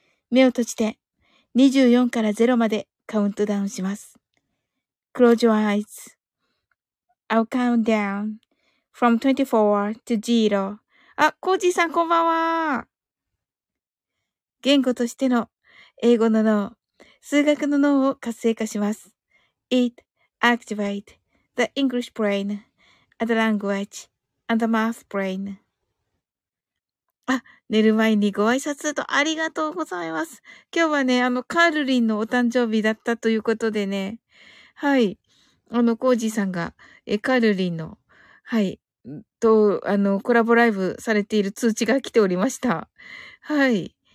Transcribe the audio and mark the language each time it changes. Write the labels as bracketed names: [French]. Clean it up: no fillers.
[Japanese] 目を閉じて24から0までカウントダウンします。 [English] Close your eyes. I'll count down from 24 to 0. [Japanese] あ、コージーさんこんばんは。言語としての英語の脳、数学の脳を活性化します。 [English] It activates the English brain and the language and the math brain. [Japanese] あ、寝る前にご挨拶とありがとうございます。今日はね、カールリンのお誕生日だったということでね、はい、コージーさんがカールリンの、はい、と、コラボライブされている通知が来ておりました。はい。